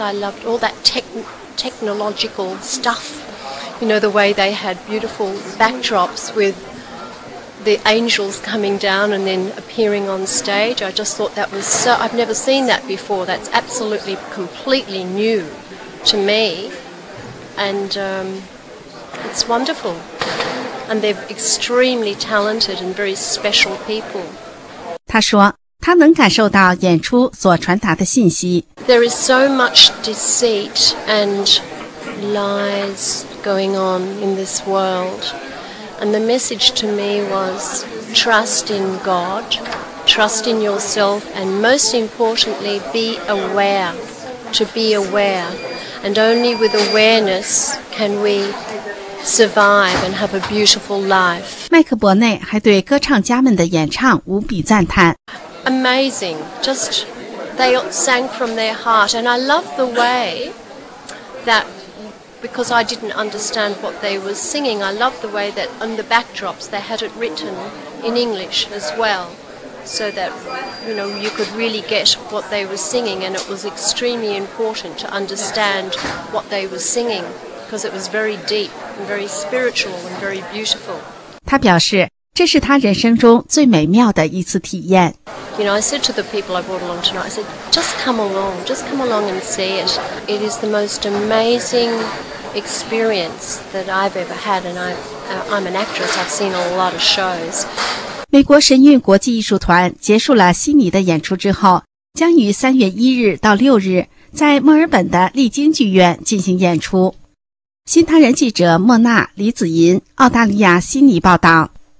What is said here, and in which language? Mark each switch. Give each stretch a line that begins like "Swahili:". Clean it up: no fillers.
English: I loved all that technological stuff, you know, the way they had beautiful backdrops with the angels coming down and then appearing on stage. I just thought that was so, I've never seen that before. That's absolutely completely new to me. And it's wonderful. And they're extremely talented and very special people.
Chinese: 他说他能感受到演出所传达的信息。
English: There is so much deceit and lies going on in this world. And the message to me was trust in God, trust in yourself, and most importantly, be aware, to be aware. And only with awareness can we survive and have a beautiful life.
Chinese: 麦克伯内还对歌唱家们的演唱无比赞叹。
English: amazing. Just they sang from their heart, and I love the way that, because I didn't understand what they were singing, I love the way that on the backdrops they had it written in English as well. So that, you know, you could really get what they were singing, and it was extremely important to understand what they were singing, because it was very deep and very spiritual and very beautiful.
Chinese: 他表示，这是他人生中最美妙的一次体验。
English: You know, I said to the people I brought along tonight, I said, just come along and see it. It is the most amazing experience that I've ever had, and I'm an actress, I've seen a lot of shows.
Chinese: 美国神韵国际艺术团结束了悉尼的演出之后，将于3月1日到6日在墨尔本的丽晶剧院进行演出。新唐人记者莫娜、李子银，澳大利亚悉尼报道。